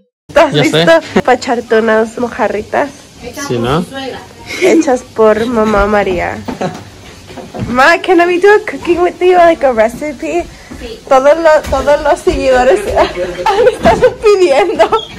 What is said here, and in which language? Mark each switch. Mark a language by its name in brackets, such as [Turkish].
[Spanish] ¿Estás listo para echarte unas mojarritas? Sí, ¿no? Hechas por mamá María. [English] Ma, can we do a cooking with you, like a recipe? [Spanish] Sí. Todos los seguidores me están pidiendo.